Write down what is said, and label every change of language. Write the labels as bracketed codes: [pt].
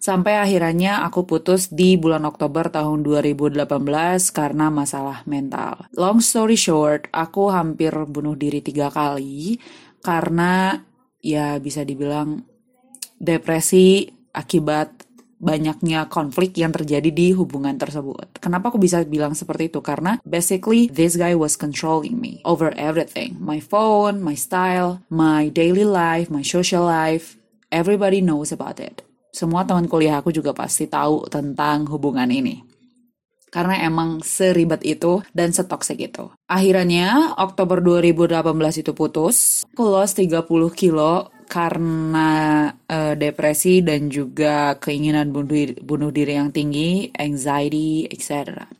[id] Sampai akhirnya aku putus di bulan Oktober tahun 2018 karena masalah mental. [en] Long story short, [id] aku hampir bunuh diri 3 kali karena ya bisa dibilang depresi akibat banyaknya konflik yang terjadi di hubungan tersebut. Kenapa aku bisa bilang seperti itu? Karena [en] basically this guy was controlling me over everything. My phone, my style, my daily life, my social life. Everybody knows about it. [id] Semua teman kuliah aku juga pasti tahu tentang hubungan ini. Karena emang seribet itu dan setoksik itu. Akhirnya Oktober 2018 itu putus. Aku lost 30 kilo. Karena depresi dan juga keinginan bunuh diri yang tinggi, anxiety, etc.